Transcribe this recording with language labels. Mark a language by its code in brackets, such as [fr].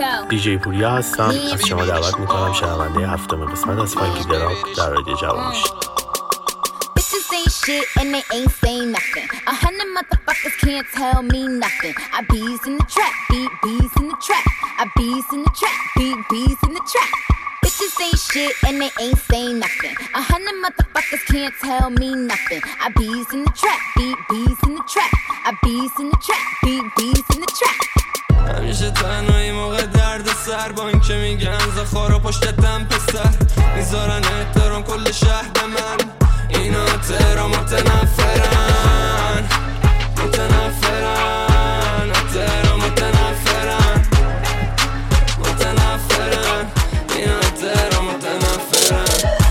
[fa] DJ پوریا هستم. از شما دعوت میکنم شنونده هفتم قسمت از فانکی دراپ در رادیو جوان باشید. [en] Shit and they ain't say nothing. 100 motherfuckers can't tell me nothing. I bees in the trap, beat bees in the trap. I bees in the trap, beat bees in the trap. Bitches ain't shit and they ain't say nothing. 100 motherfuckers can't tell me nothing. I bees in the trap, beat bees in the trap. I bees in the trap, beat bees in the trap. [fa] همیشه تنهایی موقع درد سر با این که میگن زخارا پشتتم پسر میذارن احترام کل شهر به من اینا ترام متنفرن متنفرن ترام متنفرن متنفرن اینا ترام متنفرن